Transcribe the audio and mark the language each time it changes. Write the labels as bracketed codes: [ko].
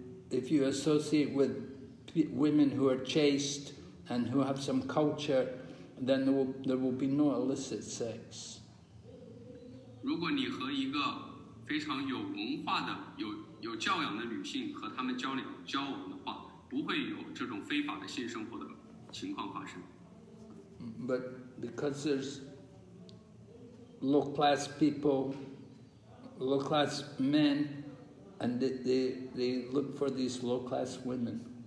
[en] If you associate with women who are chaste and who have some culture, then there will be no illicit sex. [zh] 如果你和一个非常有文化的、有教养的女性和她们交往的话，不会有这种非法的性生活的情况发生。 [en] But because there's low class people, low class men. And they look for these low class women.